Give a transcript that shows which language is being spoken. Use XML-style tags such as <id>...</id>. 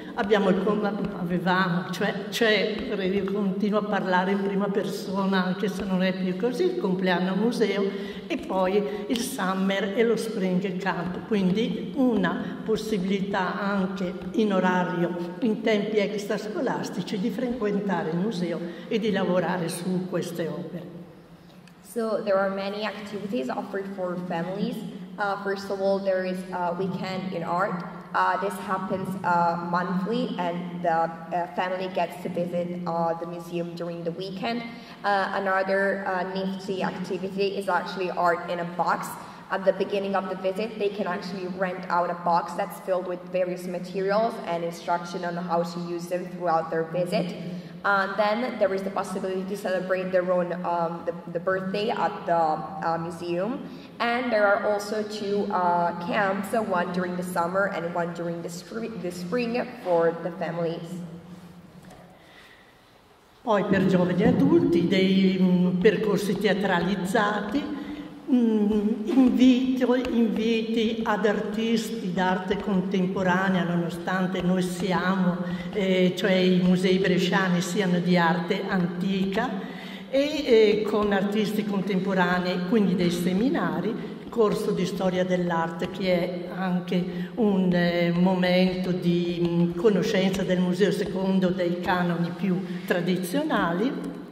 <it>Abbiamo il continuo a parlare in prima persona, anche se non è più così, il compleanno museo e poi il summer e lo spring camp. Quindi una possibilità anche in orario, in tempi extrascolastici, di frequentare il museo e di lavorare su queste opere.</it> <en>So there are many activities offered for families. First of all, there is a weekend in art. This happens monthly, and the family gets to visit the museum during the weekend. Another nifty activity is actually art in a box. At the beginning of the visit, they can actually rent out a box that's filled with various materials and instruction on how to use them throughout their visit. Then there is the possibility to celebrate their own the birthday at the museum. And there are also two camps, one during the summer and one during the spring for the families.</en> <it>Poi per giovani e adulti, dei percorsi teatralizzati, inviti ad artisti d'arte contemporanea, nonostante noi siamo, cioè i musei bresciani siano di arte antica, e con artisti contemporanei, quindi dei seminari, corso di storia dell'arte, che è anche un momento di conoscenza del museo secondo dei canoni più tradizionali.</it>